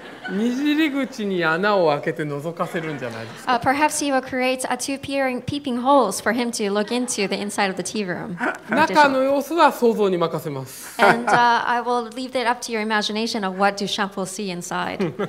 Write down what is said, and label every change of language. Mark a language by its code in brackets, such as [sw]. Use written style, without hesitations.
[ja] にじり口に穴を開けて覗かせるんじゃないですか。 [en] Perhaps he will create a two peeping holes for him to look into the inside of the tea room. [ja] 中の様子は想像に任せます。 [en] And I will leave it up to your imagination of what Duchamp will see inside.